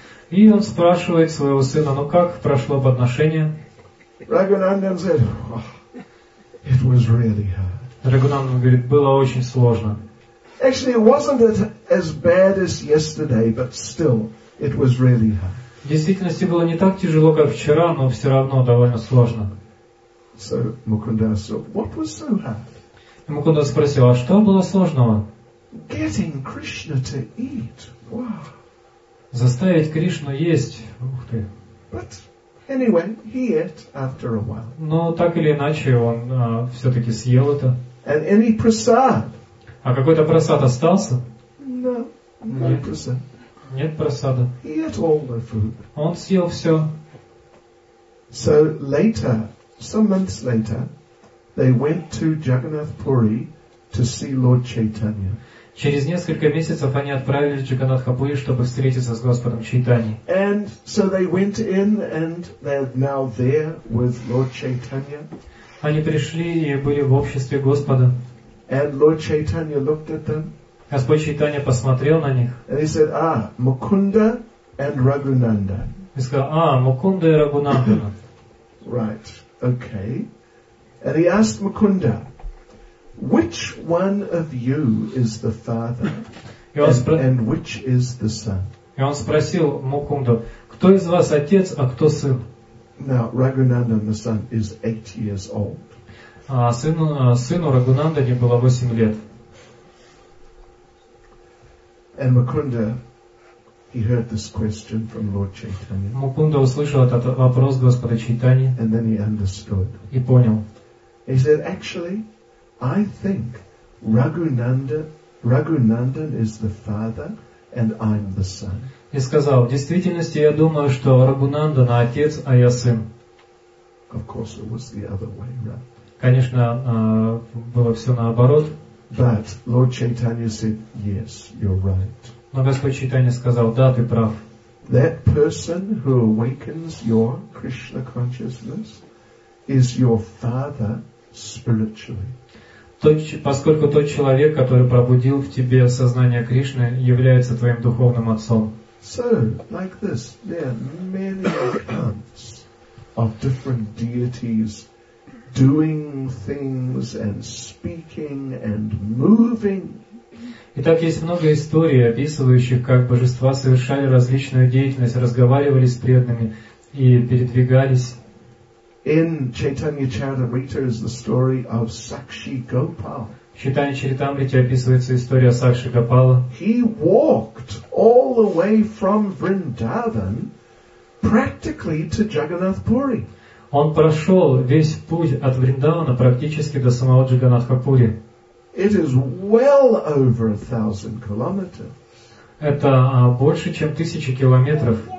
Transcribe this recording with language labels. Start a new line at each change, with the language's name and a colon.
Russian: И он спрашивает своего сына, ну как прошло подношение?
English: Raghunandan said, oh, it was really hard.
Russian: Рагунанда говорит, было очень сложно.
English: Actually, it wasn't as bad as yesterday, but still, it was really hard.
Russian: В действительности было не так тяжело, как вчера, но все равно довольно сложно.
English: So Mukunda said, what was so hard?
Russian: И Мукунда спросил, а что было сложного?
English: Getting Krishna to eat. Wow.
Russian: Заставить Кришну есть. Ух ты.
English: But anyway, he ate after a while.
Russian: Но так или иначе, он все-таки съел это.
English: And any prasad?
Russian: А какой-то прасад остался?
English: No, no prasad.
Russian: Нет прасада.
English: He ate all the food.
Russian: Он съел все.
English: So later, some months later, they went to Jagannath Puri to see Lord Chaitanya.
Russian: Через несколько месяцев они отправились в Джаганатхапури, чтобы встретиться с Господом Чайтани.
English: And so they went in, and they're now there with Lord Chaitanya.
Russian: Они пришли и были в обществе Господа.
English: And Lord Chaitanya looked at them.
Russian: Господь Чайтанья посмотрел на них.
English: And he said, ah, Mukunda and Raghunanda.
Russian: И сказал, а, Мукунда и Рагунанда.
English: Right, okay. And he asked Mukunda, which one of you is the father and which is the son?
Russian: И он спросил Мукунду, кто из вас отец, а кто сын?
English: Now, Raghunandan, the son, is 8 years old.
Russian: Сыну Рагунандане было 8 лет.
English: And Mukunda, he heard this question from Lord Chaitanya.
Russian: Мукунда услышал этот вопрос Господа Чайтани.
English: And then he understood.
Russian: И понял.
English: He said, actually, I think Raghunandan is the father and I'm the son.
Russian: И сказал, в действительности я думаю, что Рагунандан отец, а я сын.
English: Of course it was the other way, right?
Russian: Конечно, было все наоборот.
English: But Lord Chaitanya said, yes, you're right.
Russian: Но Господь Чайтанья сказал, да, ты прав.
English: That person who awakens your Krishna consciousness is your father spiritually.
Russian: Поскольку тот человек, который пробудил в тебе сознание Кришны, является твоим духовным отцом.
English: So, like this, there are many accounts of different deities doing things and speaking and moving.
Russian: Итак, есть много историй, описывающих, как божества совершали различную деятельность, разговаривали с преданными и передвигались.
English: In Chaitanya Charitamrita is the story of Sakshi Gopal.
Russian: В Чайтанья Чаритамрите описывается история Сакши Гопала.
English: He walked all the way from Vrindavan practically to Jagannath Puri.
Russian: Он прошел весь путь от Вриндавана практически до самого Джаганатхапури.
English: It is well over 1,000 kilometers.
Russian: Это больше, чем 1,000 километров.